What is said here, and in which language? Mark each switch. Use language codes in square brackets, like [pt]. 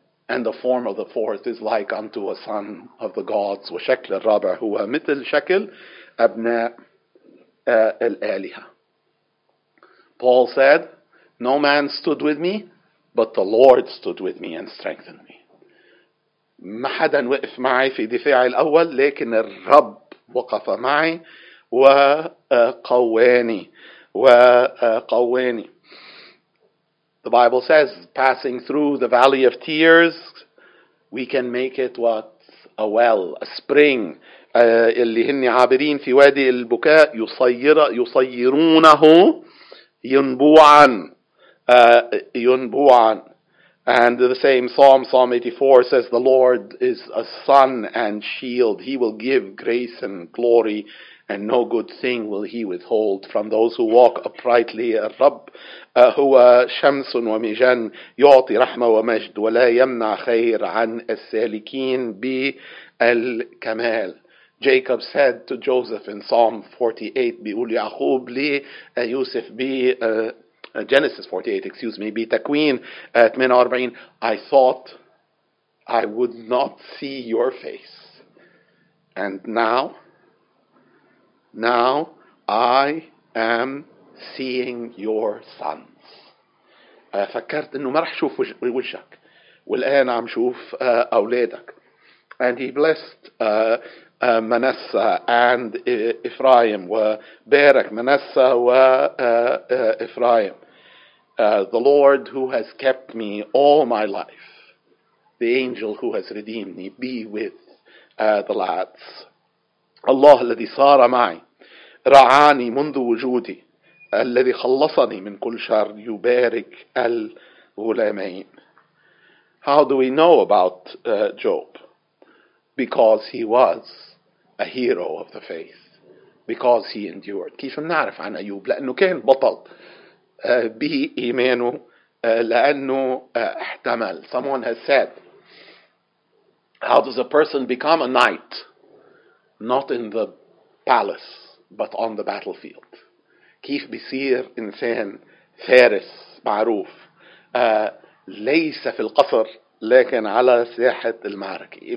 [en] And the form of the fourth is like unto a son of the gods. [ar] وشكل الرابع هو مثل شكل أبناء الآلهة. [en] Paul said, no man stood with me, but the Lord stood with me and strengthened me. [ar] ما حدا وقف معي في دفاعي الأول لكن الرب وقف معي وقواني وقواني. [en] The Bible says, passing through the valley of tears, we can make it what? A well, a spring. [ar] اللي هني عابرين في وادي البكاء يصيرونه ينبوعا ينبوعا. [en] And the same Psalm 84 says, the Lord is a sun and shield. He will give grace and glory, and no good thing will he withhold from those who walk uprightly. [ar] الرب هو شمس ومجن يعطي رحمة ومجد ولا يمنع خير عن السالكين بالكمال. [en] Jacob said to Joseph in Psalm 48, [ar] بيقول يعقوب لي يوسف بي [en] Genesis 48, excuse me, [ar] بتكوين 48, [en] I thought I would not see your face. And now I am seeing your sons. [ar] فكرت انه ما رح شوف وشك والان عم شوف اولادك. [en] And he blessed Manasseh and Ephraim. [ar] وبارك Manasseh وEphraim. [en] The Lord who has kept me all my life, the angel who has redeemed me, be with the lads. [ar] الله الذي صار معي رعاني منذ وجودي الذي خلصني من كل شر يبارك الغلامين. [en] How do we know about Job? Because he was a hero of the faith, because he endured. [ar] كيف نعرف عن أيوب؟ لأنه كان بطل بإيمانه لأنه احتمل. [en] Someone has said, how does a person become a knight? Not in the palace, but on the battlefield. [ar] كيف بيصير إنسان فارس معروف ليس في القصر لكن على ساحة المعركة.